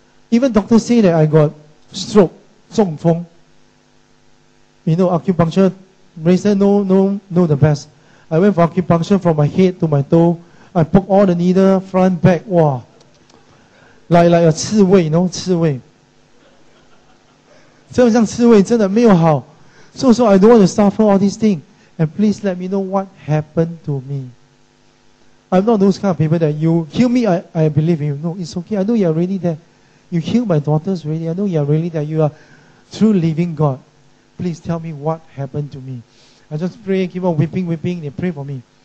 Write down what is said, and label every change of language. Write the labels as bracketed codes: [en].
[en] Even doctor say that I got stroke, 中风. You know, acupuncture, razor, no, the best. I went for acupuncture from my head to my toe. I poked all the needle, front, back, wow. Like a 刺猬, you know, 刺猬. [zh] 真的像刺猬,真的没有好. [en] So I don't want to suffer all these things. And please let me know what happened to me. I'm not those kind of people that you heal me, I believe in you. No, it's okay. I know you are really there. You heal my daughters really. I know you are really there. You are true living God. Please tell me what happened to me. I just pray, keep on weeping. They pray for me.